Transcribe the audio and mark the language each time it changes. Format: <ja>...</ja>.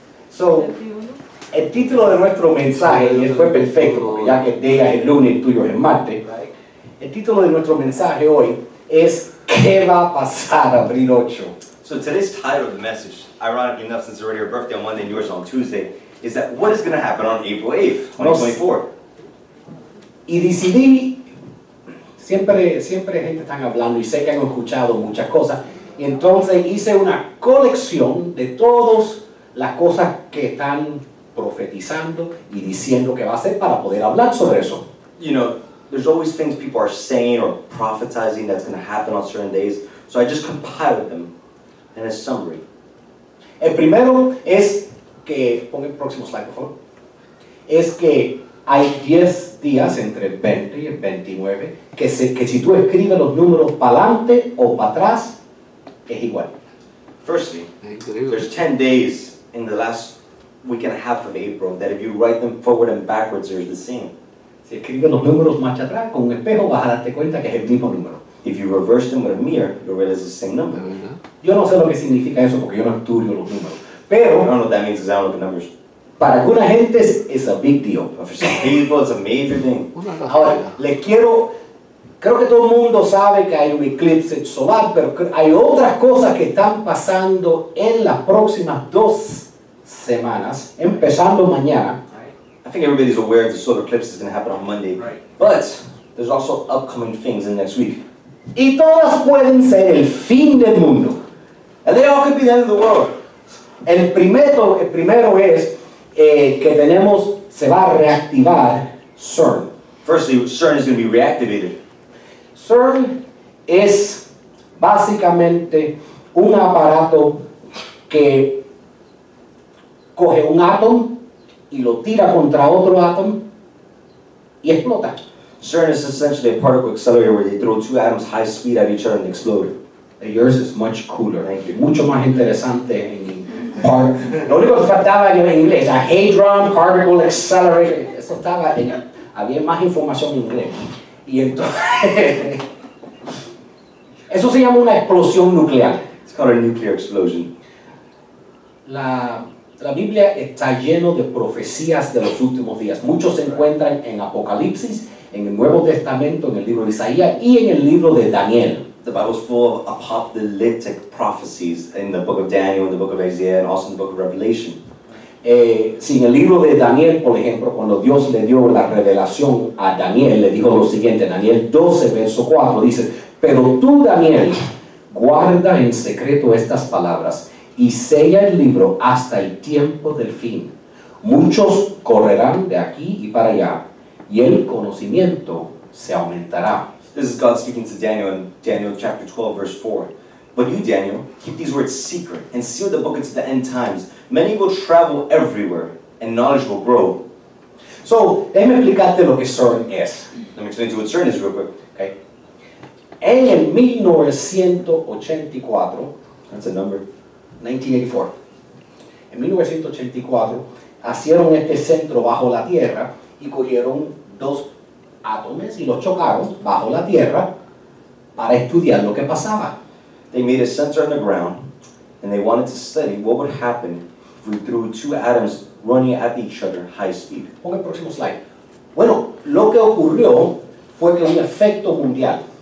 <es>So, el título de nuestro mensaje, y fue perfecto, ya que el día es el lunes, el tuyo es el martes. El título de nuestro mensaje hoy es ¿Qué va a pasar abril 8?</es> <en>So today's title of the message, ironically enough, since it's already your birthday on Monday and yours on Tuesday, is that what is going to happen on April 8th, 2024?</en> <es>Y decidí... Siempre gente están hablando y sé que han escuchado muchas cosas. Y entonces hice una colección de todas las cosas que están profetizando y diciendo que va a ser para poder hablar sobre eso.</es> <en>You know, there's always things people are saying or prophesizing that's going to happen on certain days. So I just compiled them in a summary.</en> <es>El primero es que, pon el próximo slide, por favor. Es que hay 10 días entre el 20 y el 29 que si tú escribes los números para adelante o para atrás es igual.</es> <en>Firstly, there's 10 days in the last week and a half of April that if you write them forward and backwards they're the same.</en> <es>Si escribes los números más atrás con un espejo vas a darte cuenta que es el mismo número.</es> <en>If you reverse them with a mirror you'll realize it's the same number.</en> <es>Yo no sé lo que significa eso porque yo no estudio los números, pero</es> <en>I don't know what that means, 'cause I don't look at numbers.</en> <es>Para alguna gente es</es> <en>a big deal. But for some people, it's a major thing.</en> <es>Ahora, le quiero... Creo que todo el mundo sabe que hay un eclipse solar, pero hay otras cosas que están pasando en las próximas dos semanas, empezando mañana.</es> <en>I think everybody's aware that the solar eclipse is going to happen on Monday. But there's also upcoming things in next week.</en> <es>Y todas pueden ser el fin del mundo.</es> <en>And they all could be the end of the world.</en> <es>El primero es... que tenemos, se va a reactivar CERN.</es> <en>Firstly, CERN is going to be reactivated.</en> <es>CERN es básicamente un aparato que coge un átomo y lo tira contra otro átomo y explota.</es> <en>CERN is essentially a particle accelerator where they throw two atoms high speed at each other and explode. And yours is much cooler. Thank you.</en> <es>Mucho más interesante en inglés. Lo único que faltaba en inglés,</es> <en>a Hadron Particle Accelerator,</en> <es>eso estaba en, había más información en inglés. Y entonces, eso se llama una explosión nuclear.</es> <en>It's called a nuclear explosion.</en> <es>La Biblia está lleno de profecías de los últimos días. Muchos se encuentran en Apocalipsis, en el Nuevo Testamento, en el libro de Isaías y en el libro de Daniel.</es> <en>The Bible is full of apocalyptic prophecies in the book of Daniel, in the book of Isaiah, and also in the book of Revelation.</en> <es>Si en el libro de Daniel, por ejemplo, cuando Dios le dio la revelación a Daniel, le dijo lo siguiente, Daniel 12, verso 4, dice, pero tú, Daniel, guarda en secreto estas palabras y sella el libro hasta el tiempo del fin. Muchos correrán de aquí y para allá, y el conocimiento se aumentará.</es> <en>This is God speaking to Daniel in Daniel chapter 12, verse 4. But you, Daniel, keep these words secret and seal the book into the end times. Many will travel everywhere and knowledge will grow.</en> <es>So, déjame explicarte lo que CERN es.</es> <en>Let me explain to you what CERN is real quick.</en> <es>Okay. En el 1984,</es> <en>that's a number,</en> <es>1984, en 1984, hicieron este centro bajo la tierra y cogieron dos átomos y los chocaron bajo la tierra para estudiar lo que pasaba.</es> <en>They made a sensor on the ground and they wanted to study what would happen if we threw two atoms running at each other high speed.</en> <es>Ponga el próximo slide. Bueno, lo que ocurrió fue que un efecto mundial.</es>